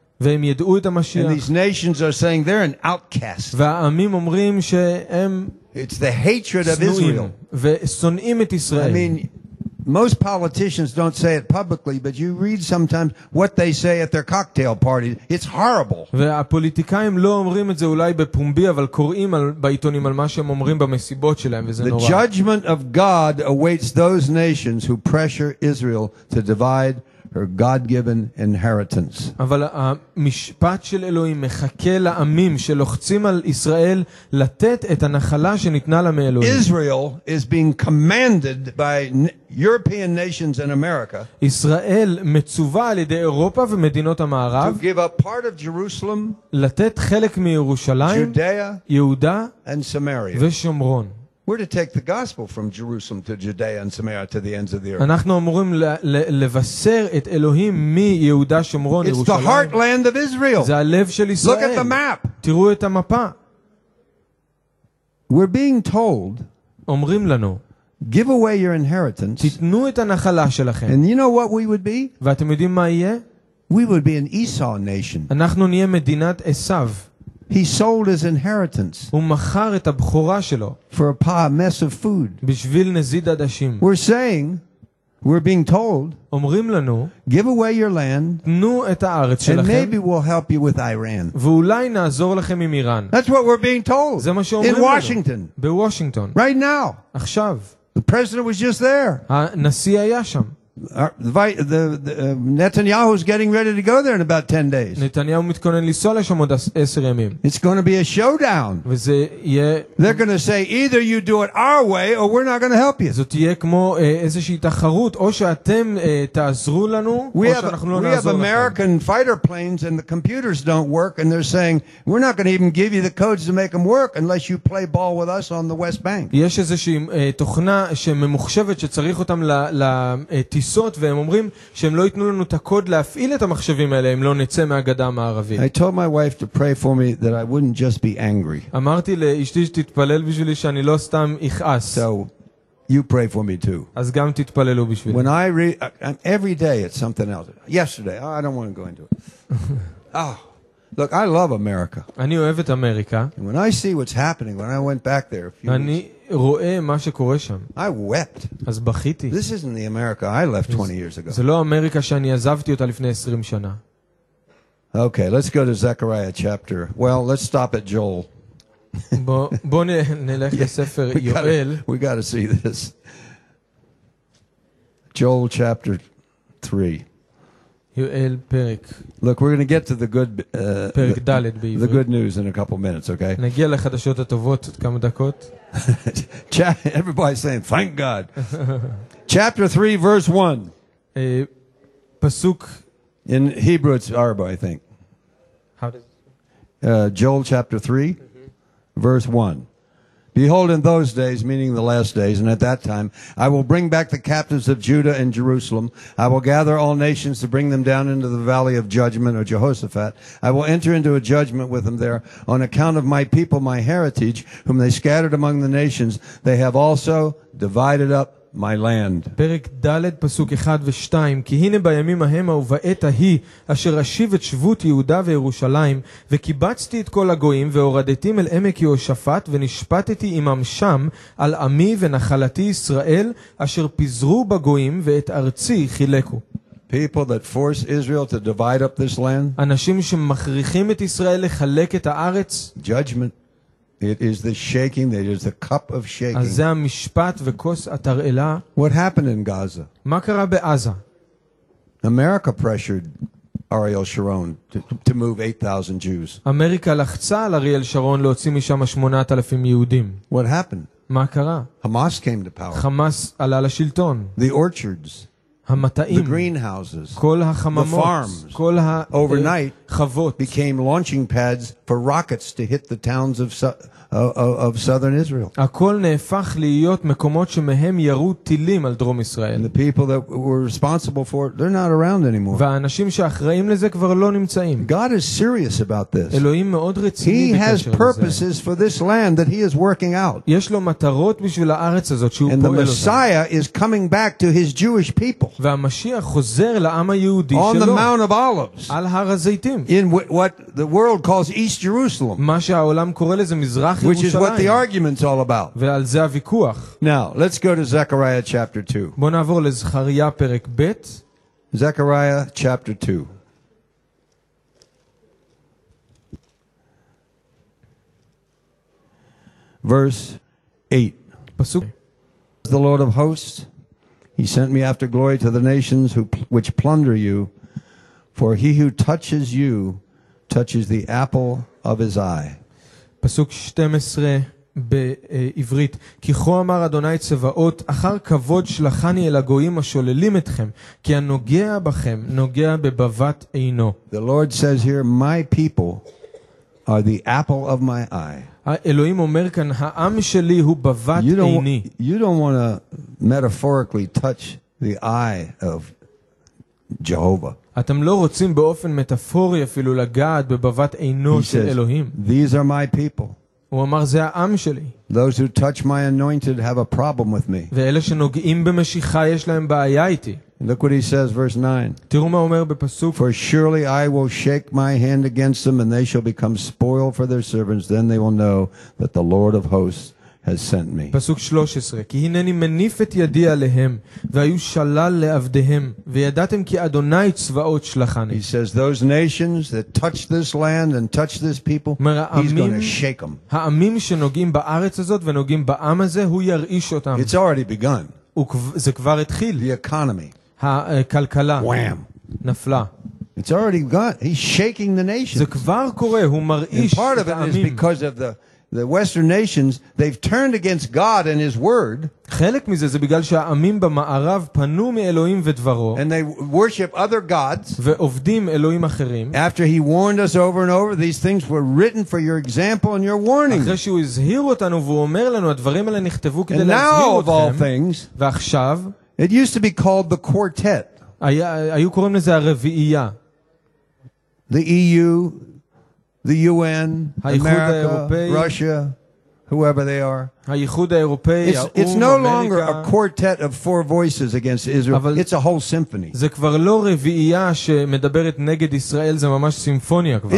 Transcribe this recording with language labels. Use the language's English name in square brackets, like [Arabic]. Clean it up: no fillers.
[Hebrew] והם ידעו את המשיח. [English] And these nations are saying they're an outcast. [Hebrew] והעמים אומרים שהם, [English] it's the hatred of Israel. [Hebrew] ושונאים את ישראל. [English] I mean, most politicians don't say it publicly, but you read sometimes what they say at their cocktail parties. It's horrible. [Hebrew] והפוליטיקאים לא אומרים את זה אולי בפומבי, אבל קוראים בעיתונים על מה שהם אומרים במסיבות שלהם, וזה נורא. [English] The judgment of God awaits those nations who pressure Israel to divide her God-given inheritance. [Hebrew] אבל המשפט של אלוהים מחכה לעמים שלוחצים על ישראל לתת את הנחלה שניתנה לה מאלוהים. [English] Israel is being commanded by European nations and America. [Hebrew] ישראל מצווה על ידי אירופה ומדינות המערב. [English] To give up part of Jerusalem. [Hebrew] לתת חלק מירושלים. [English] Judea. [Hebrew] יהודה. [English] And Samaria. [Hebrew] ושומרון. [English] We're to take the gospel from Jerusalem to Judea and Samaria to the ends of the earth. [Hebrew] אנחנו אמורים לבשר את אלוהים מיהודה, שומרון, ירושלים. [English] It's the heartland of Israel. [Hebrew] זה הלב של ישראל. [English] Look at the map. [Hebrew] תראו את המפה. [English] We're being told, [Hebrew] אומרים לנו, [English] give away your inheritance. [Hebrew] תתנו את הנחלה שלכם. [English] And you know what we would be? [Hebrew] ואתם יודעים מה יהיה? [English] We would be an Esau nation. [Hebrew] אנחנו נהיה מדינת עשיו. [English] He sold his inheritance. [Hebrew] הוא מכר את הבכורה שלו. [English] For a pot, mess of food. [Hebrew] בשביל נזיד עדשים. [English] We're saying, we're being told, [Hebrew] אומרים לנו, [English] give away your land. [Hebrew] תנו את הארץ שלכם. [English] And maybe we'll help you with Iran. [Hebrew] ואולי נעזור לכם עם איראן. [English] That's what we're being told. [Hebrew] זה מה שאומרים לנו. [English] In Washington. [Hebrew] בוושינגטון. [English] Right now. [Hebrew] עכשיו. [English] The president was just there. [Hebrew] הנשיא היה שם. [English] Netanyahu is getting ready to go there in about 10 days. [Hebrew] נתניהו מתכונן לנסוע לשם עוד 10 ימים. [English] It's going to be a showdown. [Hebrew] וזה יהיה, [English] they're going to say either you do it our way or we're not going to help you. [Hebrew] זאת תהיה כמו איזושהי תחרות, או שאתם תעזרו לנו או שאנחנו לא נעזור לכם. [English] We have American fighter planes and the computers don't work and they're saying we're not going to even give you the codes to make them work unless you play ball with us on the West Bank. [Hebrew] יש איזושהי תוכנה שממוחשבת שצריך אותם טיסות, והם אומרים שהם לא ייתנו לנו את הקוד להפעיל את המחשבים האלה אם לא נצא מהגדה המערבית. [English] I told my wife to pray for me that I wouldn't just be angry. [Hebrew] אמרתי לאשתי שתתפלל בשבילי שאני לא סתם אכעס. [English] So you pray for me too. [Hebrew] אז גם תתפללו בשבילי. [English] When I read, every day it's something else. Yesterday, I don't want to go into it. Oh, look, I love America. [Hebrew] אני אוהב את אמריקה. [English] And when I see what's happening, when I went back there a few [Hebrew] אני רואה מה שקורה שם. [English] I wept. [Hebrew] אז בכיתי. [English] This isn't the America I left 20 years ago. [Hebrew] זה לא אמריקה שאני עזבתי אותה לפני 20 שנה. [English] Okay, let's go to Zechariah chapter. Well, let's stop at Joel. [Hebrew] בוא נלך לספר יואל. [English] We got to see this. Joel chapter 3. [Hebrew] יואל פרק. [English] Look, we're going to get to the good [Hebrew] פרק דלת בעברית. [English] The good news in a couple minutes, okay? [Hebrew] נגיע לחדשות הטובות עוד כמה דקות. [English] Everybody saying thank God. Chapter 3 verse 1. [Hebrew] פסוק [English] In Hebrew, it's Arba, I think. How does... Joel chapter 3, mm-hmm. verse 1. Behold, in those days, meaning the last days, and at that time, I will bring back the captives of Judah and Jerusalem. I will gather all nations to bring them down into the valley of judgment, or Jehoshaphat. I will enter into a judgment with them there on account of my people, my heritage, whom they scattered among the nations. They have also divided up. My land. [Hebrew] פרק ד' פסוק 1 ו-2 כי הנה בימים ההם ובעת ההיא אשר אשיב את שבות יהודה וירושלים וקיבצתי את כל הגויים והורדתים אל עמק יהושפט ונשפטתי עמם שם על עמי ונחלתי ישראל אשר פיזרו בגויים ואת ארצי חילקו. [English] People that force Israel to divide up this land. [Hebrew] אנשים שמכריחים את ישראל לחלק את הארץ. [English] Judgment. It is the shaking, it is the cup of shaking. [Hebrew] אז זה המשפט וכוס התרעלה. [English] What happened in Gaza? [Hebrew] מה קרה בעזה? [English] America pressured Ariel Sharon to move 8,000 Jews. [Hebrew] אמריקה לחצה על אריאל שרון להוציא משם 8,000 יהודים. [English] What happened? [Hebrew] מה קרה? [English] Hamas came to power. [Hebrew] חמאס עלה לשלטון. [English] The orchards. [Hebrew] המטעים. [English] The greenhouses. [Hebrew] כל החממות. [English] The farms. [Hebrew] כל ה... [English] Overnight. [Hebrew] חוות. [English] Became launching pads for rockets to hit the towns of southern Israel. [Hebrew] הכל נהפך להיות מקומות שמהם ירו טילים על דרום ישראל. [English] And the people that were responsible for it, they're not around anymore. [Hebrew] והאנשים שאחראים לזה כבר לא נמצאים. [English] God is serious about this. [Hebrew] אלוהים מאוד רציני בקשר לזה. [English] He has purposes for this land that he is working out. [Hebrew] יש לו מטרות בשביל הארץ הזאת שהוא פועל אותה. [English] And the Messiah is coming back to his Jewish people. [Hebrew] והמשיח חוזר לעם היהודי שלו. [English] On the Mount of Olives. [Hebrew] על הר הזיתים. [English] In what the world calls East Jerusalem. [Hebrew] מה שהעולם קורא לזה מזרח [English] Which is what the argument's all about. [Hebrew] ועל זה הוויכוח. [English] Now, let's go to Zechariah chapter 2. [Hebrew] בוא נעבור לזכריה פרק ב'. [English] Zechariah chapter 2. Verse 8. [Hebrew] פסוק. [English] The Lord of hosts, he sent me after glory to the nations which plunder you, for he who touches you touches the apple of his eye. [Hebrew] פסוק 12 בעברית כי כה אמר אדוני צבאות אחר כבוד שלחני אל הגויים השוללים אתכם כי הנוגע בכם נוגע בבבת עינו [English] The Lord says here my people are the apple of my eye [Hebrew] האלוהים אומר כאן העם שלי הוא בבת עיני [English] You don't want to metaphorically touch the eye of Jehovah [Hebrew] אתם לא רוצים באופן מטאפורי אפילו לגעת בבבת עינו של אלוהים. [English] These are my people. [Hebrew] הוא אמר זה העם שלי. [English] Those who touch my anointed have a problem with me. [Hebrew] ואלה שנוגעים במשיחה יש להם בעיה איתי. [English] Look what he says, verse 9. [Hebrew] תראו מה אומר בפסוק. [English] For surely I will shake my hand against them and they shall become spoil for their servants. Then they will know that the Lord of hosts has sent me. [Hebrew] פסוק 13 כי הנני מניף את ידי עליהם והיו שלל לעבדיהם וידעתם כי אדוני צבאות שלחני. [English] He says those nations that touch this land and touch this people he's going to shake them. [Hebrew] העמים שנוגעים בארץ הזאת ונוגעים בעם הזה הוא ירעיש אותם. [English] It's already begun. [Hebrew] זה כבר התחיל. [English] The economy. [Hebrew] הכלכלה. [English] Wham. [Hebrew] נפלה. [English] It's already begun. He's shaking the nations. [Hebrew] זה כבר קורה. הוא מרעיש את העמים. [English] And part of it is because of the western nations they've turned against god and his word [Hebrew] חלק מזה זה בגלל שהעמים במערב פנו מאלוהים ודברו [English] and they worship other gods [Hebrew] ועובדים אלוהים אחרים [English] after he warned us over and over these things were written for your example and your warning [Hebrew] אחרי שהוא הזהיר אותנו והוא אומר לנו הדברים האלה נכתבו כדי להזהיר אתכם [English] and now of all things [Hebrew] ועכשיו [English] it used to be called the quartet [Hebrew] היו קוראים לזה הרביעייה [English] the EU The UN, America, Russia, whoever they are. [Hebrew] האיחוד האירופאי, [English] it's no longer a quartet of four voices against Israel. It's a whole symphony. [Hebrew] זה כבר לא רביעייה שמדברת נגד ישראל, זה ממש סימפוניה כבר.